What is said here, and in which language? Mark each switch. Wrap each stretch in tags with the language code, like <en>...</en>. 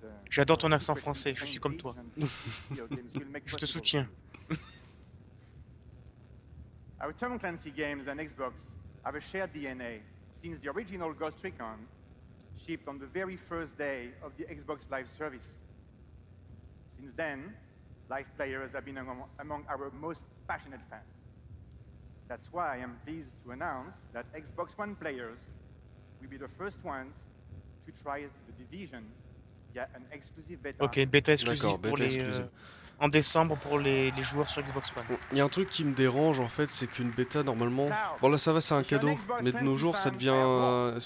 <fr>J'adore ton accent français, je suis comme toi. Je te soutiens.</fr> <en>Our Tom Clancy games and Xbox have a shared DNA since the original Ghost Recon shipped on the very first day of the Xbox Live service. Since then, live players have been among our most passionate fans. That's why I am pleased to announce that Xbox One players will be the first ones to try The Division via an exclusive beta.</en> <fr>Ok, une bêta exclusive. D'accord, bêta pour les, exclusive. En décembre pour les joueurs sur Xbox One. Il y a un truc qui me dérange en fait, c'est qu'une bêta normalement. Bon là ça va, c'est un cadeau, mais de nos jours ça devient.</fr>